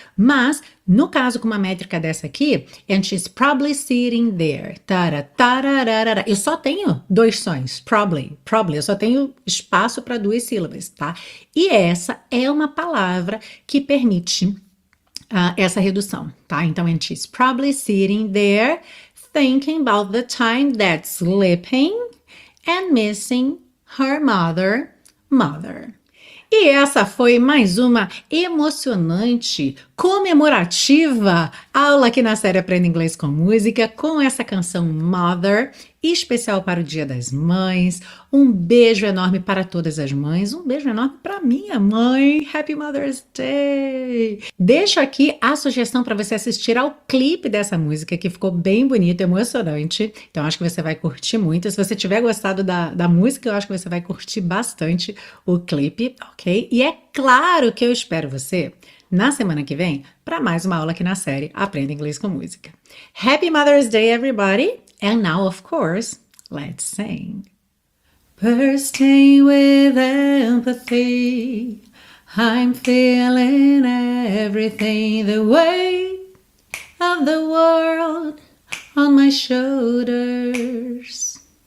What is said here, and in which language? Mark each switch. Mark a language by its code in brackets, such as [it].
[pt] Mas, no caso com uma métrica dessa aqui, [en] and she's probably sitting there, [pt] tara, tarararara, eu só tenho dois sons, probably, probably, eu só tenho espaço para duas sílabas, tá? E essa é uma palavra que permite essa redução, tá? Então, [en] and she's probably sitting there, thinking about the time that's slipping and missing her mother, mother. [pt] E essa foi mais uma emocionante, comemorativa aula aqui na série Aprenda Inglês com Música, com essa canção Mother, especial para o Dia das Mães. Um beijo enorme para todas as mães, um beijo enorme para minha mãe. [en] Happy Mother's Day! [pt] Deixo aqui a sugestão para você assistir ao clipe dessa música, que ficou bem bonito, emocionante. Então, acho que você vai curtir muito. Se você tiver gostado da música, eu acho que você vai curtir bastante o clipe, ok? E é claro que eu espero você na semana que vem para mais uma aula aqui na série Aprenda Inglês com Música. [en] Happy Mother's Day, everybody! And now, of course, let's sing. Bursting with empathy, I'm feeling everything the weight of the world on my shoulders.